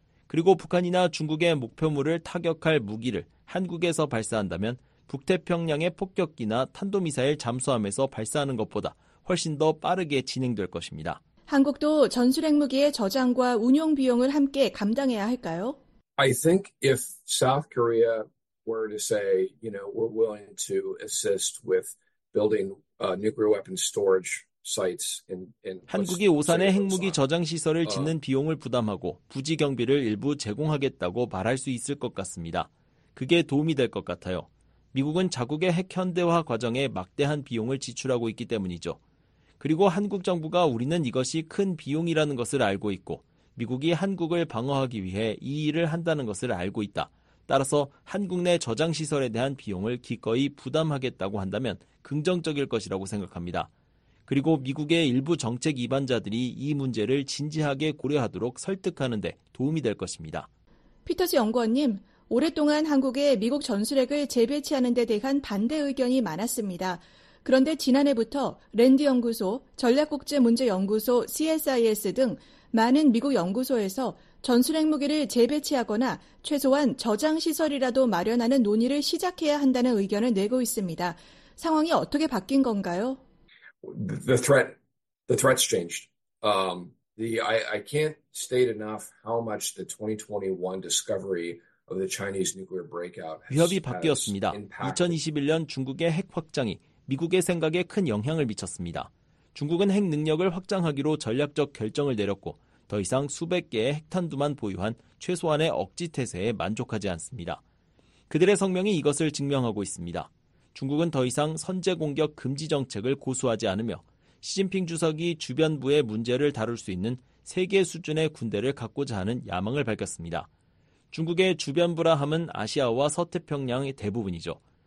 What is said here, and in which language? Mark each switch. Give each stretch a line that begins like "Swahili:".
Korean: 그리고 북한이나 중국의 목표물을 타격할 무기를 한국에서 발사한다면 북태평양의 폭격기나 탄도미사일 잠수함에서 발사하는 것보다 훨씬 더 빠르게 진행될 것입니다. 한국도 전술 핵무기의 저장과 운용 비용을 함께 감당해야 할까요?
English: I think if South Korea were to say, you know, we're willing to assist with building nuclear weapons storage sites in
Korean: 한국이 오산에 핵무기 저장 시설을 짓는 비용을 부담하고 부지 경비를 일부 제공하겠다고 말할 수 있을 것 같습니다. 그게 도움이 될 것 같아요. 미국은 자국의 핵 현대화 과정에 막대한 비용을 지출하고 있기 때문이죠. 그리고 한국 정부가 우리는 이것이 큰 비용이라는 것을 알고 있고 미국이 한국을 방어하기 위해 이 일을 한다는 것을 알고 있다. 따라서 한국 내 저장시설에 대한 비용을 기꺼이 부담하겠다고 한다면 긍정적일 것이라고 생각합니다. 그리고 미국의 일부 정책 이반자들이 이 문제를 진지하게 고려하도록 설득하는 데 도움이 될 것입니다. 피터스 연구원님, 오랫동안 한국의 미국 전술핵을 재배치하는 데 대한 반대 의견이 많았습니다. 그런데 지난해부터 랜드 연구소, 전략국제문제연구소 CSIS 등 많은 미국 연구소에서 전술 핵무기를 재배치하거나 최소한 저장시설이라도 마련하는 논의를 시작해야 한다는 의견을 내고 있습니다. 상황이 어떻게 바뀐 건가요?
English: The threat's changed. I can't state enough how much the 2021 discovery of the Chinese nuclear breakout has
Korean: 위협이 바뀌었습니다. 2021년 중국의 핵 확장이 미국의 생각에 큰 영향을 미쳤습니다. 중국은 핵 능력을 확장하기로 전략적 결정을 내렸고 더 이상 수백 개의 핵탄두만 보유한 최소한의 억지 태세에 만족하지 않습니다. 그들의 성명이 이것을 증명하고 있습니다. 중국은 더 이상 선제 공격 금지 정책을 고수하지 않으며 시진핑 주석이 주변부의 문제를 다룰 수 있는 세계 수준의 군대를 갖고자 하는 야망을 밝혔습니다. 중국의 주변부라 함은 아시아와 서태평양의 대부분이죠.